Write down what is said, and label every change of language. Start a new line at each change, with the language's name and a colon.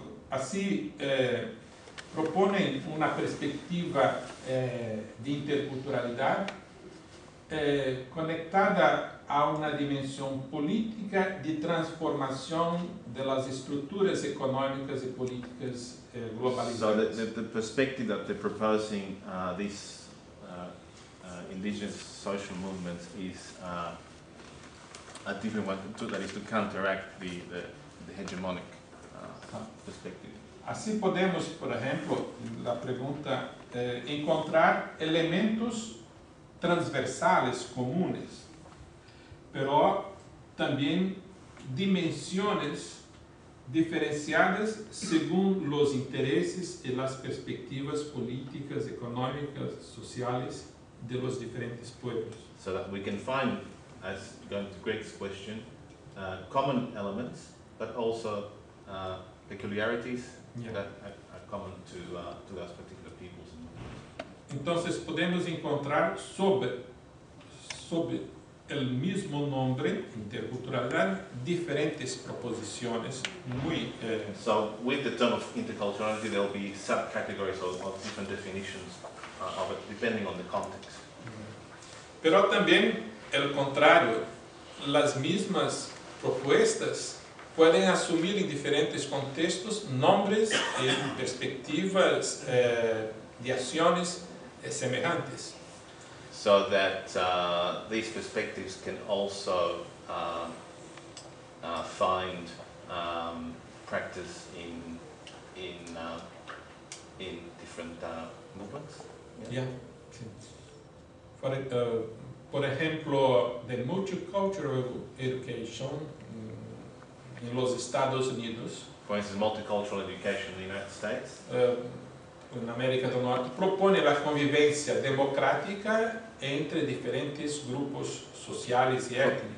Spanish: así proponen una perspectiva de interculturalidad conectada a una dimensión política de transformación de las estructuras económicas y políticas globalizadas.
English: So the perspective that they're proposing these indigenous social movements is a different one, that is to counteract the hegemonic perspective.
Spanish: Así podemos, por ejemplo, la pregunta, encontrar elementos transversales comunes, pero también dimensiones diferenciadas según los intereses y las perspectivas políticas, económicas, sociales de los diferentes pueblos.
English: So that we can find, as going to Greg's question, common elements, but also peculiarities, yeah, that are common to those particular peoples.
Spanish: Entonces podemos encontrar sob el mismo nombre interculturalidad diferentes proposiciones muy
English: so with the term of interculturality there will be subcategories of different definitions of it depending on the context.
Spanish: Pero también el contrario, las mismas propuestas pueden asumir en diferentes contextos nombres y perspectivas de acciones semejantes.
English: So that these perspectives can also find practice in different movements. Yeah. For example, the multicultural education in los Estados Unidos. For instance, multicultural education in the United States.
Spanish: En América del Norte propone la convivencia democrática entre diferentes grupos sociales y étnicos.